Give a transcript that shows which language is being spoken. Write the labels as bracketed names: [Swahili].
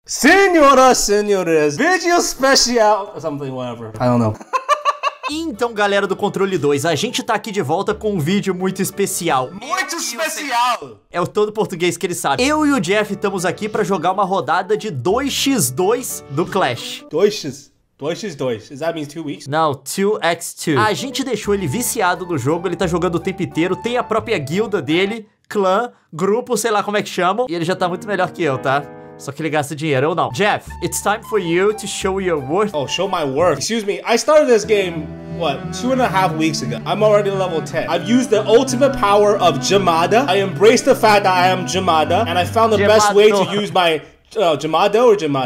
[Portuguese] Senhoras, senhores, vídeo especial, [English] something, whatever, I don't know. [Portuguese] Então, galera do Controle 2, a gente tá aqui de volta com um vídeo muito especial. Muito especial! É o todo português que ele sabe. Eu e o Jeff estamos aqui pra jogar uma rodada de 2x2 do Clash. [English] 2x? 2x2, does that mean 2 weeks? [Portuguese] Não, 2x2. A gente deixou ele viciado no jogo, ele tá jogando o tempo inteiro, tem a própria guilda dele, clã, grupo, sei lá como é que chama, e ele já tá muito melhor que eu, tá? Só que ele gasta dinheiro, ou não. [English] Jeff, it's time for you to show your worth. Oh, show my worth. Excuse me, I started this game, what, 2.5 weeks ago. I'm already level 10. I've used the ultimate power of Jamada. I embraced the fact that I am Jamada. And I found the Jamado. Best way to use my... Jamado or Jamada?